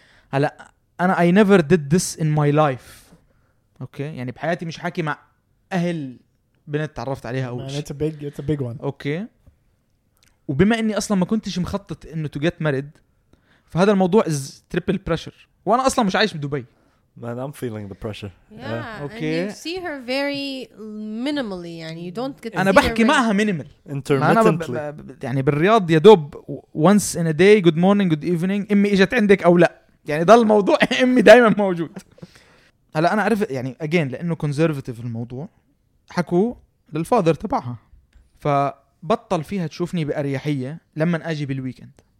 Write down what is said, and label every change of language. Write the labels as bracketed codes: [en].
[ar] هلا أنا [en] I never did this in my life. [ar] أوكي يعني بحياتي مش حاكي مع أهل بنت تعرفت عليها أول. [en] Man, it's a big one. [ar] أوكي وبما إني أصلاً ما كنتش مخطط إنه [en] to get married [ar] فهذا الموضوع [en] is triple pressure [ar] وأنا أصلاً مش عايش بدبي. [en] Man I'm feeling the pressure. Yeah. Okay. And you see her very minimally يعني you don't get. [ar] أنا بحكي معها minimal. [en] Intermittently. [ar] يعني بالرياض يا دوب [en] once in a day good morning good evening [ar] إمي إجت عندك أو لا. يعني ده الموضوع امي دايما موجود هلا انا اعرف يعني اجين لانه كونزرفاتيف الموضوع حكوا للفادر تبعها فبطل فيها تشوفني باريحيه لما اجي بالويكند